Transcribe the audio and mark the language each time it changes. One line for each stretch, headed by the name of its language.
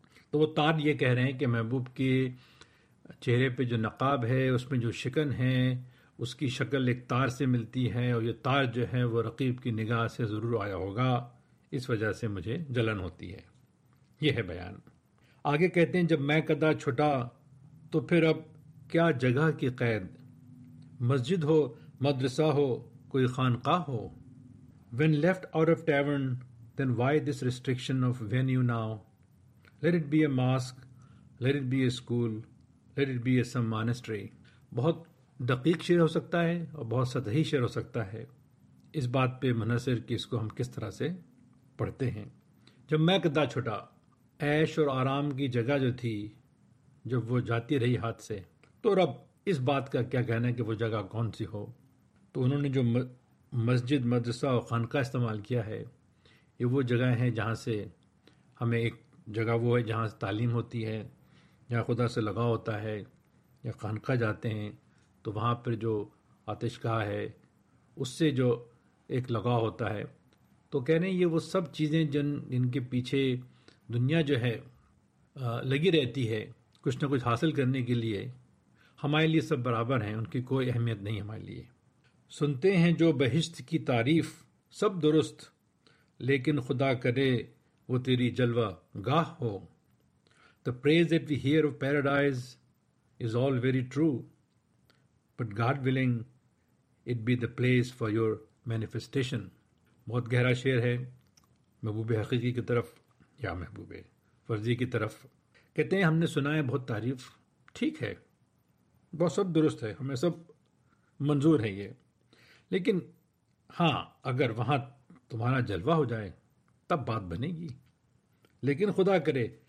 Urdu: تو وہ تار یہ کہہ رہے ہیں کہ محبوب کے چہرے پہ جو نقاب ہے اس میں جو شکن ہے اس کی شکل ایک تار سے ملتی ہے, اور یہ تار جو ہے وہ رقیب کی نگاہ سے ضرور آیا ہوگا, اس وجہ سے مجھے جلن ہوتی ہے. یہ ہے بیان. آگے کہتے ہیں جب میں قدا چھٹا تو پھر اب کیا جگہ کی قید, مسجد ہو مدرسہ ہو کوئی خانقاہ ہو.
English: When left out of tavern, then why this restriction of venue now? Let it be a mosque, let it be a school, let it be a some monastery.
Urdu: بہت دقیق شعر ہو سکتا ہے اور بہت سطحی شعر ہو سکتا ہے, اس بات پہ منحصر کہ اس کو ہم کس طرح سے پڑھتے ہیں. جب میں قدا چھٹا, عیش اور آرام کی جگہ جو تھی جب وہ جاتی رہی ہاتھ سے, تو رب اس بات کا کیا کہنا ہے کہ وہ جگہ کون سی ہو. تو انہوں نے جو مسجد مدرسہ اور خانقاہ استعمال کیا ہے, یہ وہ جگہ ہیں جہاں سے ہمیں ایک جگہ وہ ہے جہاں سے تعلیم ہوتی ہے, جہاں خدا سے لگا ہوتا ہے, یا خانقاہ جاتے ہیں تو وہاں پر جو آتش گاہ ہے اس سے جو ایک لگا ہوتا ہے. تو کہہ رہے ہیں یہ وہ سب چیزیں جن کے پیچھے دنیا جو ہے لگی رہتی ہے کچھ نہ کچھ حاصل کرنے کے لیے, ہمارے لیے سب برابر ہیں, ان کی کوئی اہمیت نہیں ہمارے لیے. سنتے ہیں جو بہشت کی تعریف سب درست, لیکن خدا کرے وہ تیری جلوہ گاہ ہو.
English: The praise that we hear of paradise is all very true, but God willing it be the place for your manifestation.
Urdu: بہت گہرا شعر ہے محبوب حقیقی کی طرف یا محبوب فرضی کی طرف. کہتے ہیں ہم نے سنا ہے بہت تعریف, ٹھیک ہے, بہت سب درست ہے, ہمیں سب منظور ہے یہ, لیکن ہاں اگر وہاں تمہارا جلوہ ہو جائے تب بات بنے گی, لیکن خدا کرے.